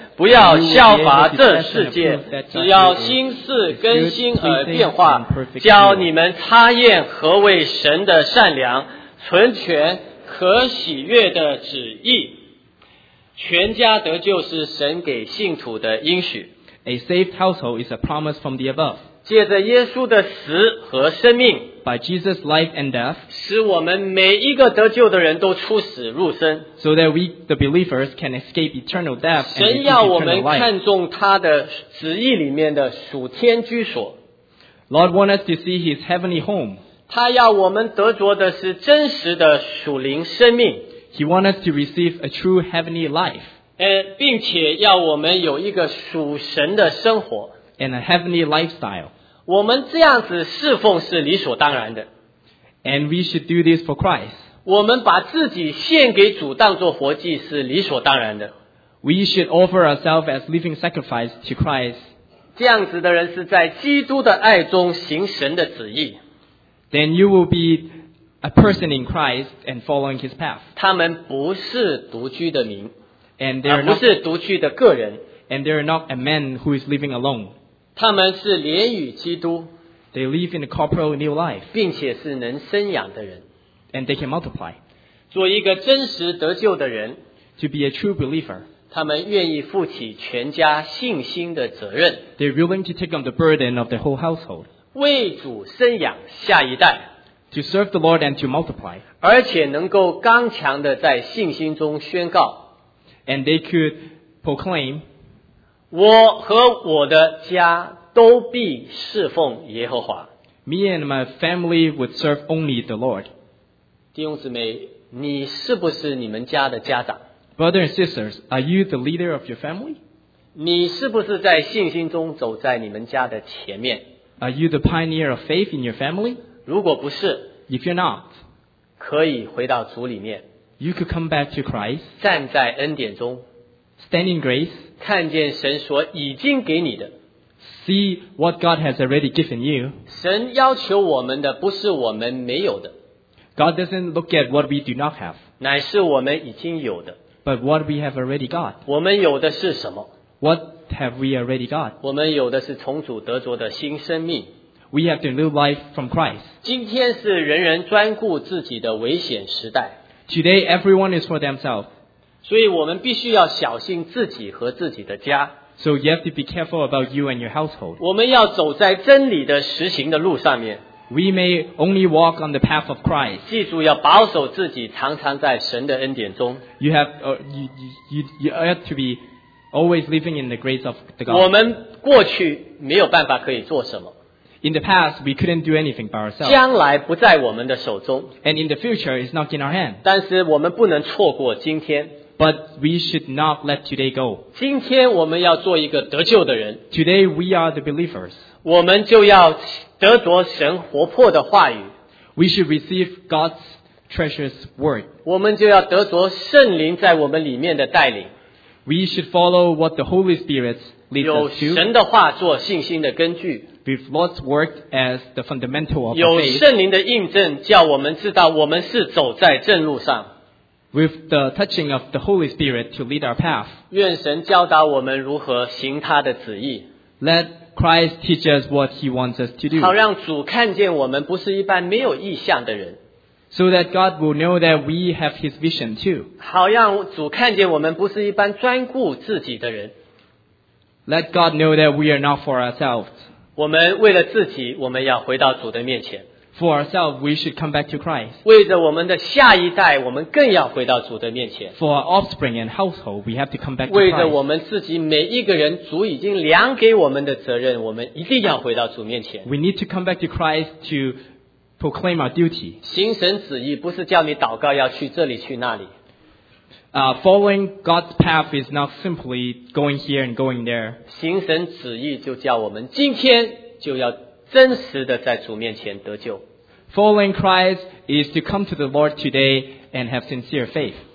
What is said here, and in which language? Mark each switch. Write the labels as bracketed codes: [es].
[zh] 不要效法这世界，只要心思更新而变化，教你们察验何为神的善良、纯全、可喜悦的旨意。全家得救是神给信徒的应许。 [en] A saved household is a promise from the above. [zh] 借着耶稣的死和生命， [en] By Jesus' life and death, [zh] 使我们每一个得救的人都出死入生。 [en] So that we, the believers, can escape eternal death and receive eternal life. [zh] 神要我们看重他的旨意里面的属天居所。 [en] Lord wants us to see his heavenly home. [zh] 他要我们得着的是真实的属灵生命。 [en] He wants us to receive a true heavenly life. [zh] 并且要我们有一个属神的生活 [en] and a heavenly lifestyle. [zh] 我们这样子侍奉是理所当然的 [en] and we should do this for Christ. [zh] 我们把自己献给主当作活祭是理所当然的 [en] we should offer ourselves as living sacrifice to Christ. [zh] 这样子的人是在基督的爱中行神的旨意 [en] then you will be a person in Christ and following his path. [zh] 他们不是独居的民 [en] And they're not, [zh] 而不是独居的个人 [en] and they're not a man who is living alone [zh] 他们是连与基督 [en] they live in a corporal new life [zh] 并且是能生养的人 [en] and they can multiply [zh] 做一个真实得救的人 [en] to be a true believer [zh] 他们愿意负起全家信心的责任 [en] they're willing to take on the burden of the whole household [zh] 为主生养下一代 [en] to serve the Lord and to multiply [zh] 而且能够刚强地在信心中宣告 [en] And they could proclaim, [zh] 我和我的家都必侍奉耶和华。 [en] Me and my family would serve only the Lord. [zh] 弟兄姊妹，你是不是你们家的家长？ [en] Brothers and sisters, are you the leader of your family? [zh] 你是不是在信心中走在你们家的前面？ [en] Are you the pioneer of faith in your family? [zh] 如果不是， [en] If you're not, [zh] 可以回到主里面。 [en] You could come back to Christ. [zh] 站在恩典中 [en] Stand in grace. [zh] 看见神所已经给你的 [en] See what God has already given you. [zh] 神要求我们的不是我们没有的 [en] God doesn't look at what we do not have. [zh] 乃是我们已经有的 [en] But what we have already got. [zh] 我们有的是什么 [en] What have we already got? [zh] 我们有的是从主得着的新生命 [en] We have the new life from Christ. [zh] 今天是人人专顾自己的危险时代 [en] Today, everyone is for themselves. [zh] 所以我们必须要小心自己和自己的家。 [en] So you have to be careful about you and your household. [zh] 我们要走在真理的实行的路上面。 [en] We may only walk on the path of Christ. [zh] 记住要保守自己常常在神的恩典中。 [en] You have to be always living in the grace of the God. [zh] 我们过去没有办法可以做什么。 [en] In the past, we couldn't do anything by ourselves. [zh] 将来不在我们的手中。 [en] And in the future, it's not in our hand. [zh] 但是我们不能错过今天。 [en] But we should not let today go. [zh] 今天我们要做一个得救的人。 [en] Today, we are the believers. [zh] 我们就要得着神活泼的话语。 [en] We should receive God's precious word. [zh] 我们就要得着圣灵在我们里面的带领。 [en] We should follow what the Holy Spirit leads us to. [zh] 有神的话做信心的根据。 [en] With Lord's word as the fundamental of faith. [zh] 有圣灵的印证，叫我们知道我们是走在正路上。 [en] With the touching of the Holy Spirit to lead our path. [zh] 愿神教导我们如何行他的旨意。 [en] Let Christ teach us what he wants us to do. [zh] 好让主看见我们不是一般没有意向的人。 [en] So that God will know that we have his vision too. [zh] 好让主看见我们不是一般专顾自己的人。 [en] Let God know that we are not for ourselves. [zh] 我们为了自己，我们要回到主的面前。 [en] For ourselves, we should come back to Christ. [zh] 为着我们的下一代，我们更要回到主的面前。 [en] For our offspring and household, we have to come back to [zh] Christ. 为着我们自己每一个人，主已经量给我们的责任，我们一定要回到主面前。 [en] We need to come back to Christ to proclaim our duty. [zh] 行神旨意不是叫你祷告要去这里去那里。 [en] Following God's path is not simply going here and going there. [zh] 行神旨意就叫我们今天就要真实的在主面前得救。 [en] Following Christ is to come to the Lord today and have sincere faith.